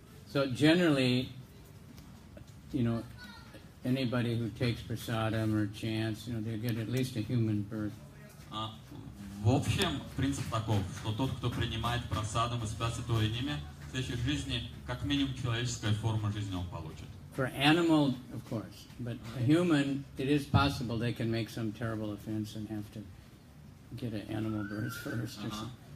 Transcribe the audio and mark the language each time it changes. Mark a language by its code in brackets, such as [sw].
[en] So generally, you know, anybody who takes prasadam or chants, you know, they get at least a human birth. [ru] В общем, принцип таков, что тот, кто принимает прасадам и спят святое имя, в следующей жизни, как минимум, человеческая форма жизни он получит. [en] For animal, of course, but a human, it is possible they can make some terrible offense and have to get an animal birth first or something.